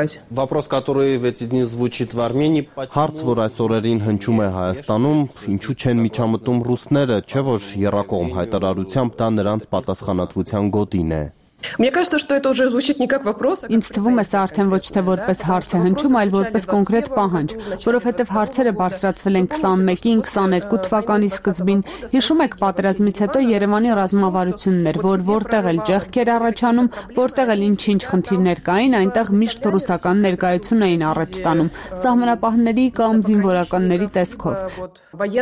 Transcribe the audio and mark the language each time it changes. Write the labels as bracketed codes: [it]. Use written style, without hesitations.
[ru] Вопрос, который в эти дни звучит в Армении, [hy] հարց, որ այս օրերին հնչում է Հայաստանում, ինչու չեն միջամտում ռուսները, չէ՞ որ երակողմ հայտարարությամբ դա նրանց պատասխանատվության գոտին է։ [ru] Мне кажется, что это уже звучит не как вопрос, а [hy] ինձ թվում է, սա արդեն ոչ թե որպես հարց է հնչում, այլ որպես կոնկրետ պահանջ, որովհետև հարցերը բարձրացվել են 21-ին, 22 թվականի սկզբին։ Հիշում եք, պատերազմից հետո Երևանի ռազմավարությունն էր, որ որտեղ էլ ճեղքեր առաջանում, որտեղ էլ ինչ-ինչ խնդիրներ կային, այնտեղ միշտ ռուսական ներկայություն էին առաջ տանում, սահմանապահների կամ զինվորականների տեսքով։